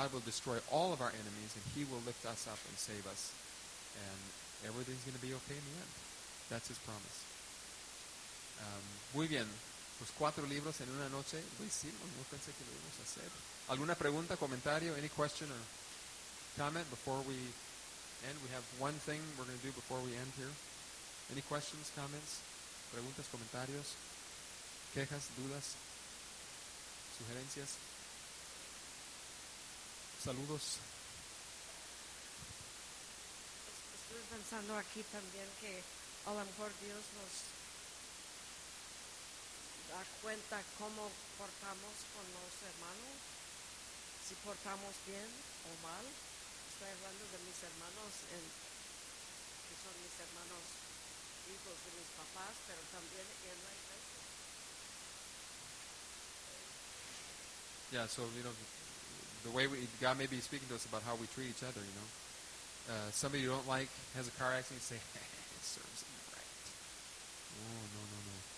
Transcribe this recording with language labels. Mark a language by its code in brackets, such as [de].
[en] God will destroy all of our enemies, and he will lift us up and save us, and everything's going to be okay in the end. That's his promise. [es] Muy bien. Pues cuatro libros en una noche. Lo hicimos. No pensé que lo íbamos a hacer. ¿Alguna pregunta, comentario, [en] any question or comment before we end? We have one thing we're going to do before we end here. Any questions, comments, [es] preguntas, comentarios, quejas, dudas, sugerencias, saludos. Estoy pensando aquí también que a lo mejor Dios nos da cuenta cómo portamos con los hermanos, si portamos bien o mal. Estoy hablando de mis hermanos, que son mis hermanos hijos de mis papás, pero también en la iglesia. [en] Yeah, so, you know, the way God may be speaking to us about how we treat each other, you know. Somebody you don't like has a car accident, you say, it serves him right. Oh, no.